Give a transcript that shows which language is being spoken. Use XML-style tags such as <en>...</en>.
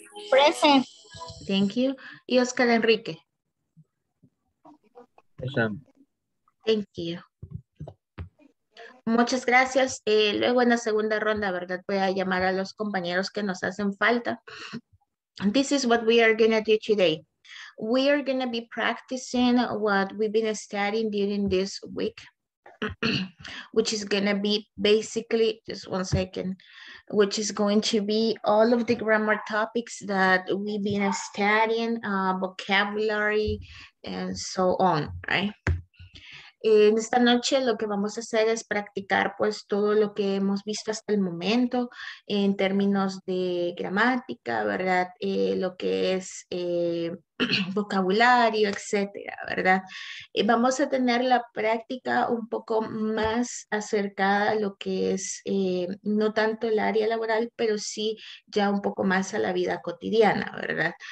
<en>Present. Thank you. Y Oscar Enrique. Present. Thank you.</en> <es>Muchas gracias. Luego en la segunda ronda, ¿verdad? Voy a llamar a los compañeros que nos hacen falta.</es> <en>This is what we are going to do today. We are going to be practicing what we've been studying during this week, which is going to be basically, just one second, which is going to be all of the grammar topics that we've been studying, vocabulary, and so on, right?</en> <es>En esta noche lo que vamos a hacer es practicar pues todo lo que hemos visto hasta el momento en términos de gramática, ¿verdad? Lo que es vocabulario, etcétera, ¿verdad? Vamos a tener la práctica un poco más acercada a lo que es no tanto el área laboral, pero sí ya un poco más a la vida cotidiana, ¿verdad?</es>